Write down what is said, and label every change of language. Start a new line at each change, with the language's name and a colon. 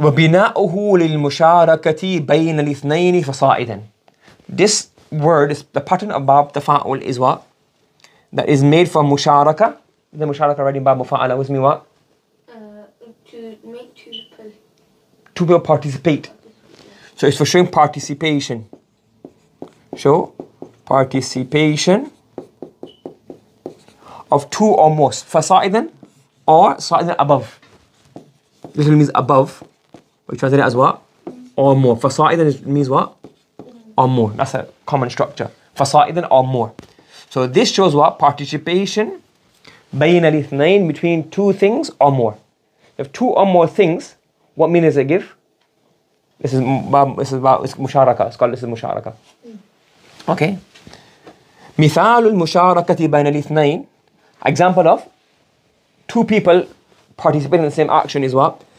Arabic: وبناؤه للمشاركة بين الاثنين فصاعدا.
English: This word, is the pattern of باب تفاعل is what? That is made from مشاركة. The مشاركة already باب مفاعلة. What does it mean? To make two people participate. So it's for showing participation. Show participation of two or more. فصاعدا or صاعدا above. Literally means above. We translate it as what? Or more. فصاعدًا means what? Or more. That's a common structure. فصاعدًا or more. So this shows what? Participation
Arabic: بين الاثنين,
English: between two things or more. If two or more things, what meaning does it give? This is مشاركة. It's called this is مشاركة. Okay.
Arabic: مثال المشاركة بين الاثنين.
English: Example of two people participating in the same action is what?